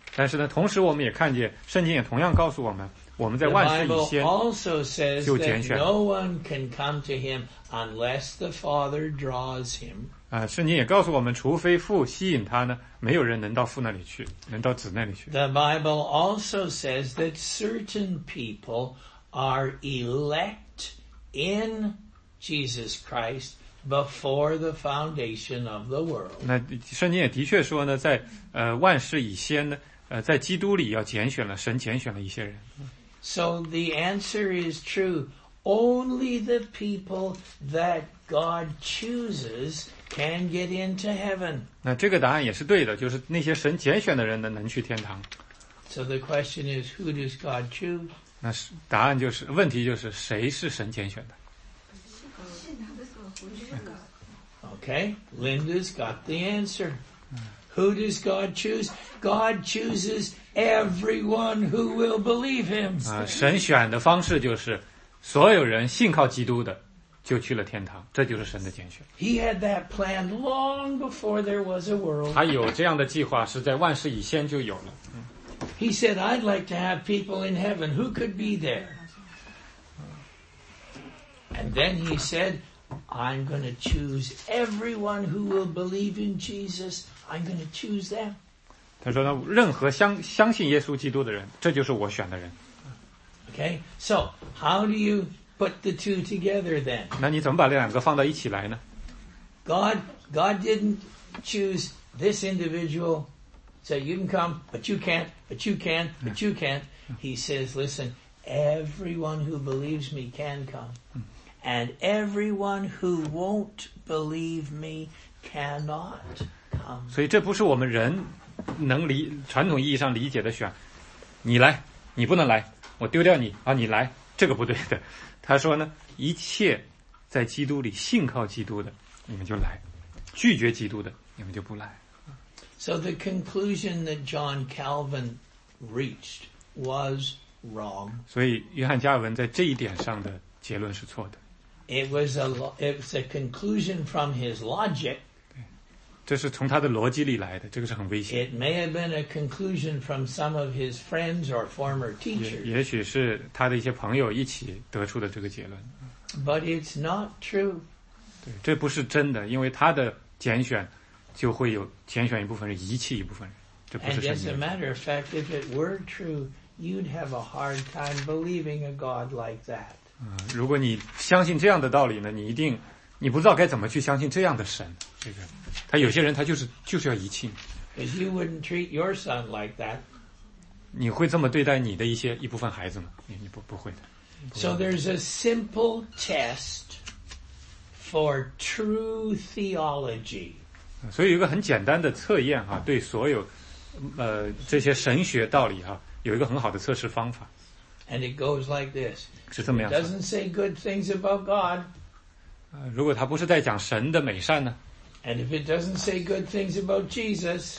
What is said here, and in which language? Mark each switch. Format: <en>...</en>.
<zh>但是呢，同时我们也看见，圣经也同样告诉我们。我们在万事以先</zh> <en>The Bible also says that no one can come to him unless the Father draws him.</en> <zh>圣经也告诉我们除非父吸引他呢没有人能到父那里去能到子那里去。</zh> <en>The Bible also says that certain people are elect in Jesus Christ before the foundation of the world.</en> <zh>那圣经也的确说呢在万事以先呢在基督里要拣选了神拣选了一些人。</zh> <en>So the answer is true. Only the people that God chooses can get into heaven.</en> <zh>那这个答案也是对的，就是那些神拣选的人呢能去天堂。</zh> <en>So the question is, who does God choose?</en> <zh>那是答案就是问题就是谁是神拣选的。</zh> <en>Okay, Linda's got the answer. Who does God choose? God chooses everyone who will believe him.</en> <zh>神选的方式就是所有人信靠基督的就去了天堂，这就是神的拣选。</zh> <en>He had that plan long before there was a world.</en> <zh>他有这样的计划是在万事以先就有了。</zh> <en>He said, I'd like to have people in heaven. Who could be there? And then he said, I'm going to choose everyone who will believe in Jesus. I'm going to choose them.</en> <zh>他说呢，任何相信耶稣基督的人，这就是我选的人。</zh> <en>Okay, so how do you put the two together then?</en> <zh>那你怎么把这两个放到一起来呢？</zh> <en>God didn't choose this individual. Say, you can come, but you can't, but you can't, but you can't. He says, listen, everyone who believes me can come. And everyone who won't believe me cannot come.</en> <zh>所以这不是我们人能理传统意义上理解的选。你来，你不能来，我丢掉你啊！你来，这个不对的。他说呢，一切在基督里信靠基督的，你们就来；拒绝基督的，你们就不来。</zh> <en>So the conclusion that John Calvin reached was wrong.</en> <zh>所以约翰加尔文在这一点上的结论是错的。</zh> <en>It was a conclusion from his logic.</en> <zh>这是从他的逻辑里来的，这个是很危险。</zh> <en>It may have been a conclusion from some of his friends or former teachers.</en> <zh>也许是他的一些朋友一起得出的这个结论。</zh> <en>But it's not true.</en> <zh>对，这不是真的，因为他的拣选就会有拣选一部分人，遗弃一部分人，这不是神的。</zh> <en>And as a matter of fact, if it were true, you'd have a hard time believing a God like that.</en> <zh>如果你相信这样的道理呢，你一定，你不知道该怎么去相信这样的神。这个，他有些人他就是要遗弃你。</zh> <en>Because you wouldn't treat your son like that.</en> <zh>你会这么对待你的一部分孩子吗？你不会的。</zh> <en>So there's a simple test for true theology.</en> <zh>所以有一个很简单的测验哈，对所有这些神学道理哈，有一个很好的测试方法。</zh> <en>And it goes like this. It doesn't say good things about God.</en> <zh>如果他不是在讲神的美善呢？</zh> <en>And if it doesn't say good things about Jesus,</en>